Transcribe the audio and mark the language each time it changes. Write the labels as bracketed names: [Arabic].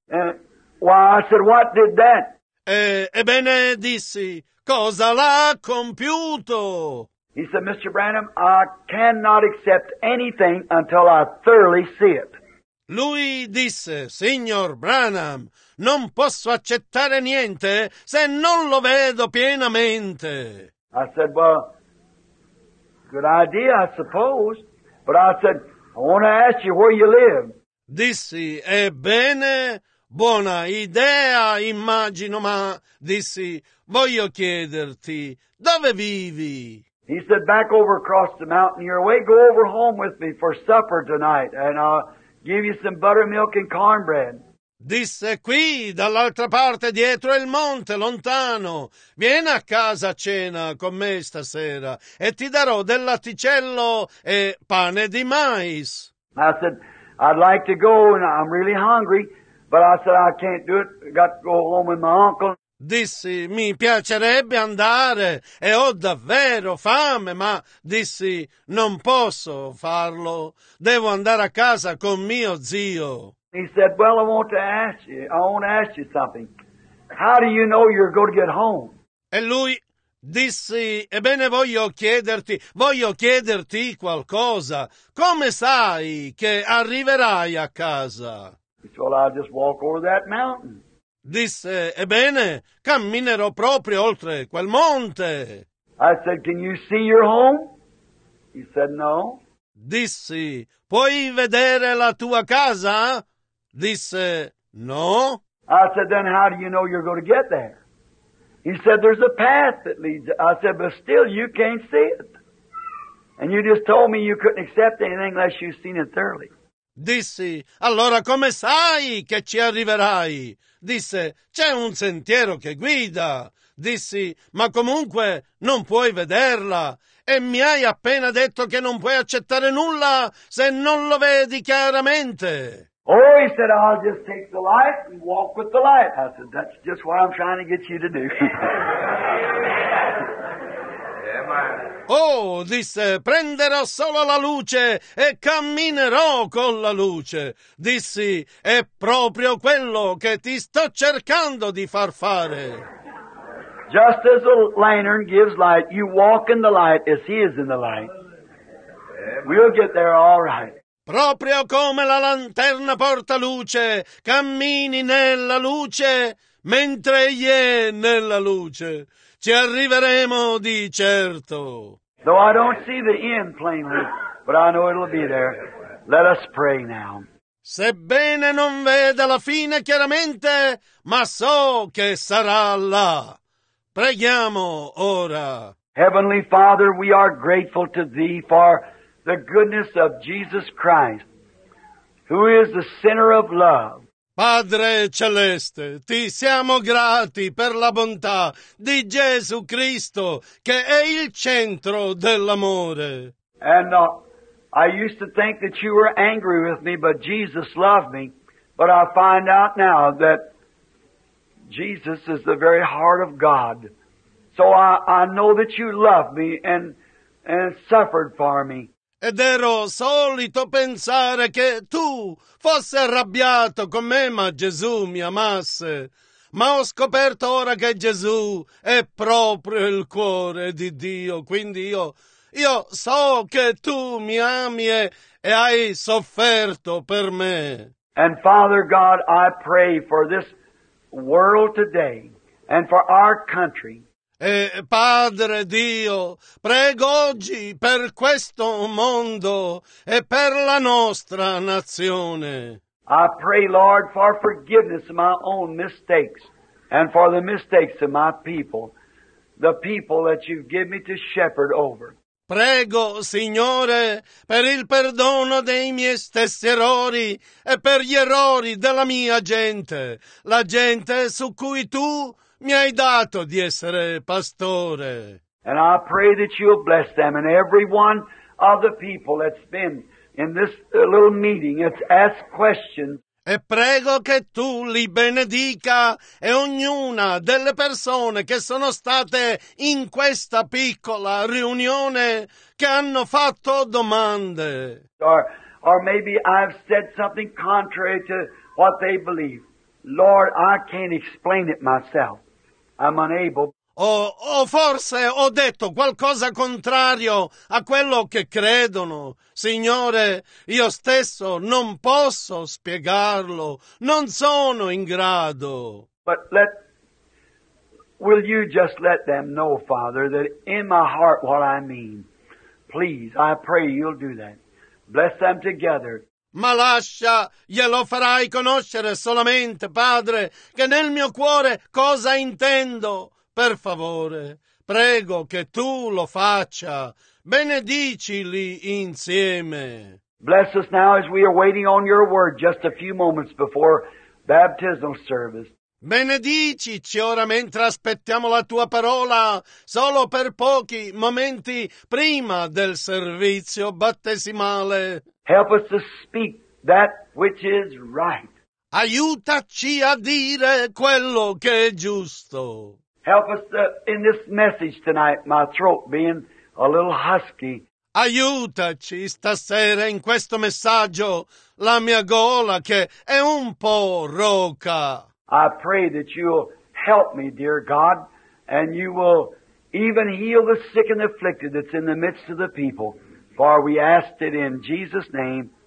[English] Well, I said, what did that? [Italian] Ebbene, dissi, cosa l'ha compiuto? [English] He said, Mr. Branham, I cannot accept anything until I thoroughly see it. [Italian] Lui disse, signor Branham, non posso accettare niente se non lo vedo pienamente. [English] I said, well, good idea, I suppose. But I said, I want to ask you where you live. [Italian] Dissi, ebbene, buona idea, immagino, ma dissi, voglio chiederti, dove vivi? [English] He said, back over across the mountain your way, go over home with me for supper tonight, and I'll give you some buttermilk and cornbread. [Italian] Disse qui, dall'altra parte, dietro il monte, lontano. Vieni a casa a cena con me stasera e ti darò del latticello e pane di mais. [English] I said, I'd like to go and I'm really hungry, but I said, I can't do it. I got to go home with my uncle. [Italian] Dissi, mi piacerebbe andare e ho davvero fame, ma dissi, non posso farlo. Devo andare a casa con mio zio. [English] He said, well, I want to ask you something. How do you know you're going to get home? [Italian] E lui disse, ebbene voglio chiederti qualcosa. Come sai che arriverai a casa? [English] He said, well, I'll just walk over that mountain. [Italian] Disse, ebbene, camminerò proprio oltre quel monte. [English] I said, can you see your home? He said, no. [Italian] Dissi, puoi vedere la tua casa? Disse, no. [English] I said, then how do you know you're going to get there? He said, there's a path that leads. I said, but still you can't see it. And you just told me you couldn't accept anything unless you've seen it thoroughly. [Italian] Dissi, allora come sai che ci arriverai? Disse, c'è un sentiero che guida. Dissi, ma comunque non puoi vederla. E mi hai appena detto che non puoi accettare nulla se non lo vedi chiaramente. [English] Oh, he said, I'll just take the light and walk with the light. I said, that's just what I'm trying to get you to do. [Italian] Oh, disse, prenderò solo la luce e camminerò con la luce. Dissi, è proprio quello che ti sto cercando di far fare. [English] Just as a lantern gives light, you walk in the light as he is in the light. We'll get there all right. [Italian] Proprio come la lanterna porta luce, cammini nella luce mentre egli è nella luce. Ci arriveremo di certo. [English] Though I don't see the end plainly, but I know it'll be there. Let us pray now. [Italian] Sebbene non veda la fine chiaramente, ma so che sarà là. Preghiamo ora. [English] Heavenly Father, we are grateful to Thee for the goodness of Jesus Christ, who is the center of love. [Italian] Padre Celeste, ti siamo grati per la bontà di Gesù Cristo, che è il centro dell'amore. [English] I used to think that you were angry with me, but Jesus loved me. But I find out now that Jesus is the very heart of God. So I know that you loved me and suffered for me. [Italian] Ed ero solito pensare che tu fossi arrabbiato con me, ma Gesù mi amasse. Ma ho scoperto ora che Gesù è proprio il cuore di Dio. Quindi io so che tu mi ami e hai sofferto per me. [English] And Father God, I pray for this world today and for our country. [Italian] E Padre Dio, prego oggi per questo mondo e per la nostra nazione. [English] I pray, Lord, for forgiveness of my own mistakes and for the mistakes of my people, the people that you've given me to shepherd over. [Italian] Prego, Signore, per il perdono dei miei stessi errori e per gli errori della mia gente, la gente su cui tu mi hai dato di essere pastore. [English] And I pray that you'll bless them and every one of the people that's been in this little meeting that's asked questions. [Italian] E prego che tu li benedica e ognuna delle persone che sono state in questa piccola riunione che hanno fatto domande. [English] Or maybe I've said something contrary to what they believe. Lord, I can't explain it myself. I'm unable. [Italian] O forse ho detto qualcosa contrario a quello che credono. Signore, io stesso non posso spiegarlo. Non sono in grado. [English] But will you just let them know, Father, that in my heart what I mean. Please, I pray you'll do that. Bless them together. [Italian] Ma lascia, glielo farai conoscere solamente, Padre, che nel mio cuore cosa intendo. Per favore, prego che tu lo faccia. Benedicili insieme. [English] Bless us now as we are waiting on your word just a few moments before baptismal service. [Italian] Benedicici ora mentre aspettiamo la tua parola, solo per pochi momenti prima del servizio battesimale. [English] Help us to speak that which is right. [Italian] Aiutaci a dire quello che è giusto. [English] Help us in this message tonight, my throat being a little husky. [Italian] Aiutaci stasera in questo messaggio, la mia gola che è un po' roca. [English] I pray that you'll help me, dear God, and you will even heal the sick and afflicted that's in the midst of the people. For we ask it in Jesus' name.